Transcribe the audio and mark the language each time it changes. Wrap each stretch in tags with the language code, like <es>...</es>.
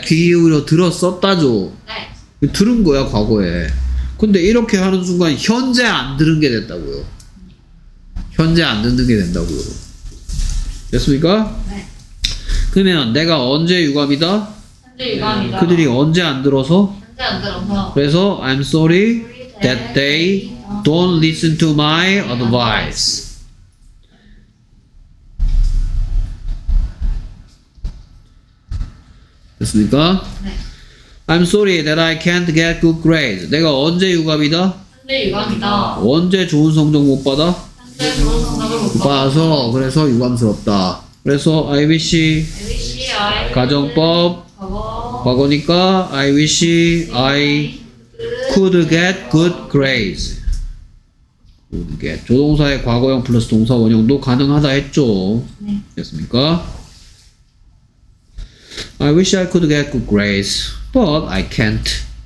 <ko>뒤이으려 들었었다죠. 네. 들은 거야 과거에. 근데 이렇게 하는 순간 현재 안 들은 게 됐다고요. 현재 안 듣는 게 된다고요. 됐습니까? 네. 그러면 내가 언제 유감이다? 현재 유감이다. 그들이 언제 안 들어서? 현재 그래서</ko> <en>I'm sorry that they don't listen to my advice.</en> <ko>됐습니까? 네.</ko> <en>I'm sorry that I can't get good grades.</en> <ko>내가 언제 유감이다? 상대 유감이다. 언제 좋은 성적 못 받아? 상대 좋은 성적을 못 받아서 그래서 유감스럽다. 그래서</ko> <en>I wish, I wish I</en> <ko>가정법 과거. 과거니까</ko> <en>I wish I could get good grades. Could get.</en> <ko>조동사의 과거형 플러스 동사 원형도 가능하다 했죠. 네. 됐습니까?</ko> <en>I wish I could get good grades, but I can't.</en>